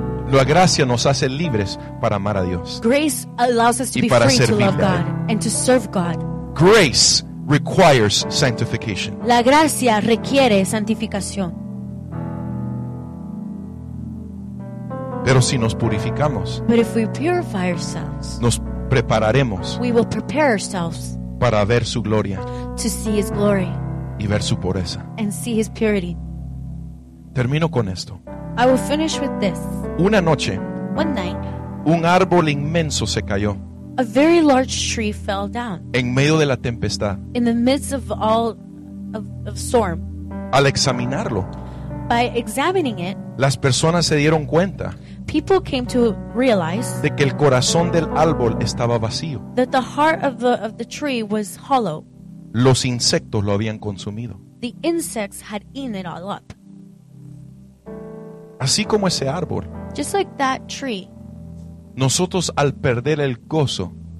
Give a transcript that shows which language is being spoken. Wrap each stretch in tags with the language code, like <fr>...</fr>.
<es>La gracia nos hace libres para amar a Dios.</es> <en>Grace allows us to be free to love God and to serve God. Grace requires sanctification.</en> <es>La gracia requiere santificación. Pero si nos purificamos,</es> <en>but if we purify ourselves,</en> <es>nos prepararemos,</es> <en>we will prepare ourselves,</en> <es>para ver su gloria,</es> <en>to see his glory,</en> <es>y ver su pureza,</es> <en>and see his purity.</en> <es>Termino con esto.</es> <en>I will finish with this.</en> <es>Una noche,</es> <en>one night,</en> <es>un árbol inmenso se cayó.</es> <en>A very large tree fell down.</en> <es>En medio de la tempestad.</es> <en>In the midst of all of storm.</en> <es>Al examinarlo,</es> <en>by examining it,</en> <es>las personas se dieron cuenta,</es> <en>people came to realize,</en> <es>de que el corazón del árbol estaba vacío,</es> <en>that the heart of the tree was hollow.</en> <es>Los insectos lo habían consumido.</es> <en>The insects had eaten it all up.</en> <es>Así como ese árbol,</es> <en>just like that tree,</en> <es>nosotros al perder el gozo,</es>